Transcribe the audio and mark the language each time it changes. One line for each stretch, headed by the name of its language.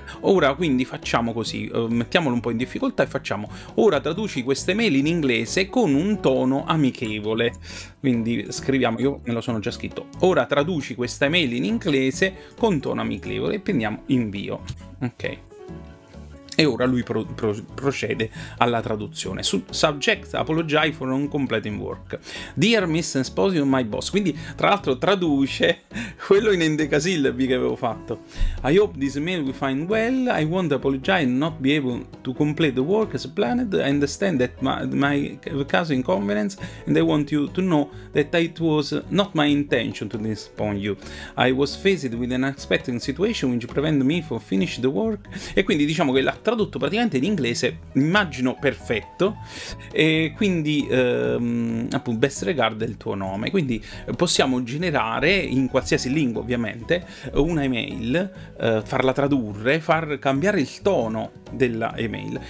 Italian: Ora, quindi, facciamo così, mettiamolo un po' in difficoltà e facciamo: ora traduci queste mail in inglese con un tono amichevole. Quindi scriviamo, io me lo sono già scritto. Ora traduci questa mail in inglese con tono amichevole e prendiamo invio. Ok. E ora lui procede alla traduzione.
English: Subject: apologize for non completing work. Dear Miss Esposito, my boss.
Italian: Quindi, tra l'altro, traduce quello in endecasillabi che avevo fatto.
English: I hope this mail will find well. I won't apologize not be able to complete the work as planned. I understand that my cause inconvenience, and I want you to know that it was not my intention to disappoint you. I was faced with an unexpected situation which prevented me from finishing the work.
Italian: E quindi diciamo che l'ha tradotto praticamente in inglese, immagino perfetto, e quindi appunto
English: best regard
Italian: è il tuo nome. Quindi possiamo generare in qualsiasi lingua ovviamente una email, farla tradurre, far cambiare il tono della email.